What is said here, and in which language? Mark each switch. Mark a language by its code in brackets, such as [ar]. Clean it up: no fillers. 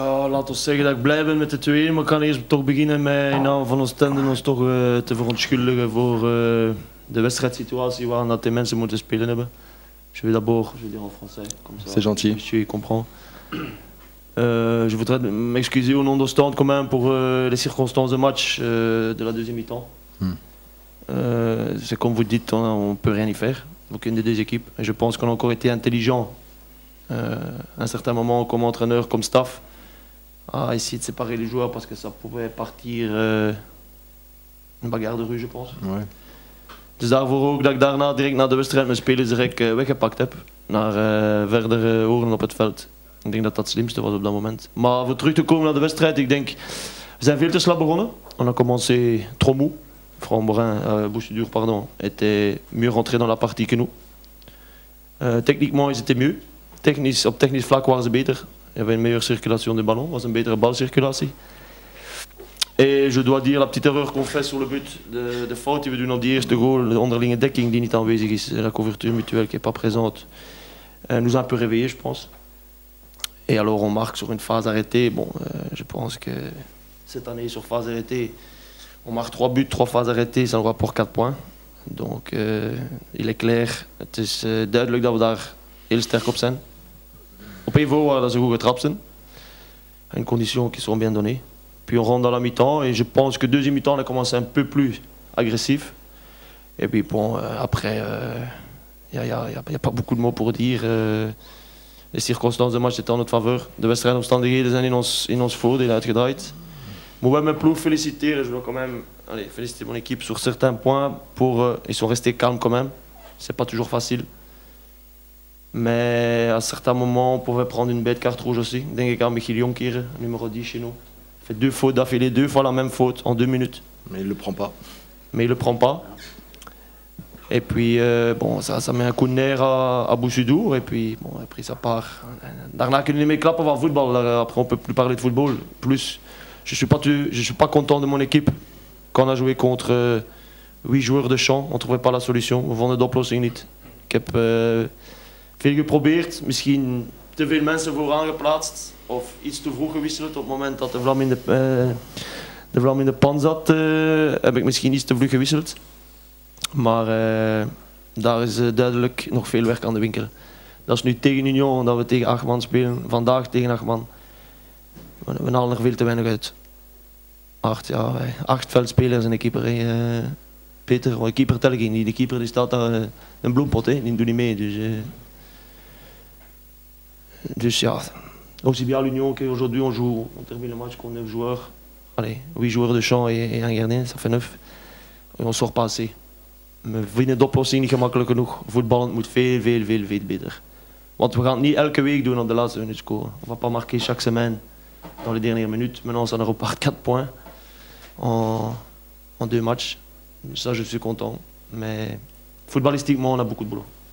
[nl] Laten we zeggen dat ik blij ben met de 2-1, maar ik kan eerst toch beginnen met in naam van Ostende ons toch te verontschuldigen voor de wedstrijdsituatie waarin dat de mensen moeten spelen hebben. [fr] Je vais d'abord, je vais dire en français. C'est gentil. Je comprends. Je voudrais m'excuser au nom d'Ostende quand même pour les circonstances de match de la deuxième mi-temps. C'est comme vous dites, on ne peut rien y faire, aucune des deux équipes. Et je pense qu'on a encore été intelligent à un certain moment comme entraîneur, comme staff, à essayer de séparer les joueurs parce que ça pouvait partir une bagarre de rue, je pense. Ouais. [nl] Dus daarvoor ook dat ik daarna direct na de wedstrijd mijn spelers direct weggepakt heb naar verdere oren op het veld. Ik denk dat dat het slimste was op dat moment. Maar voor terug te komen naar de wedstrijd, ik denk, we zijn veel te slap begonnen. [fr] On a commencé trop mou. Fran Borin, Bouchedur, pardon, était mieux rentré dans la partie que nous. Techniquement, ils étaient mieux. [nl] Technisch, op technisch vlak waren ze beter. [fr] Il y avait une meilleure circulation du ballon, [nl] was een betere balcirculatie. [fr] Et je dois dire, la petite erreur qu'on fait sur le but, [nl] de fout die we doen op die eerste goal, de onderlinge dekking die niet aanwezig is, [fr] la couverture mutuelle qui est pas présente, nous a un peu réveillé, je pense. Et alors on marque sur une phase arrêtée. Bon, je pense que cette année sur phase arrêtée, on marque 3 buts, 3 phases arrêtées, ça nous rapporte 4 points. Donc il est clair, [nl] het is duidelijk dat we daar heel sterk op zijn. Op één voorwaarde dat ze goed getrapt zijn. [fr] Une condition qui sont bien données. Puis on rentre dans la mi-temps et je pense que deuxième mi-temps on a commencé un peu plus agressif. Et puis bon, après, il n'y a pas beaucoup de mots pour dire. Les circonstances de match étaient en notre faveur. [nl] De wedstrijdomstandigheden zijn in ons voordeel uitgedraaid. Moet wel mijn ploeg feliciteren. Je wil [fr] quand même allez, féliciter mon équipe sur certains points. Pour, ils sont restés calmes quand même. C'est pas toujours facile. Mais à certains moments, on pouvait prendre une bête carte rouge aussi. [nl] Denk ik aan [fr] Michiel Jonker, numéro 10 chez nous. Il fait 2 fautes d'affilée, 2 fois la même faute en 2 minutes. Mais il le prend pas. Et puis, bon, ça met un coup de nerf à Bouchedur. Et puis, bon, après, ça part. [nl] Daarna kunnen we niet klappen van voetbal. [fr] Après, on ne peut plus parler de football. Plus, je ne suis pas content de mon équipe. Quand on a joué contre 8 joueurs de champ, on ne trouvait pas la solution. [nl] We vonden de oplossing niet. Ik heb veel geprobeerd. Misschien te veel mensen vooraan geplaatst. Of iets te vroeg gewisseld op het moment dat de vlam in de pan zat. Heb ik misschien iets te vroeg gewisseld. Maar daar is duidelijk nog veel werk aan de winkel. Dat is nu tegen Union dat we tegen 8 man spelen. Vandaag tegen 8 man. We halen er veel te weinig uit. 8, ja, 8 veldspelers en een keeper. Peter, een keeper tel ik niet. De keeper die staat daar een bloempot. Die doet niet mee. Dus ja. [fr] Aussi bien à l'Union qu'aujourd'hui on termine le match qu'on 9 joueurs. Allez, 8 joueurs de champ et un gardien, ça fait 9. Et on ne sort pas assez. [nl] We vinden de oplossing niet gemakkelijk genoeg. Voetballend moet veel, veel, veel, veel beter. Want we gaan het niet elke week doen op de laatste minuut scoren. [fr] On va pas marquer chaque semaine dans les dernières minutes. Maintenant, ça nous repart 4 points en 2 matchs. Ça, je suis content. Mais footballistiquement, on a beaucoup de boulot.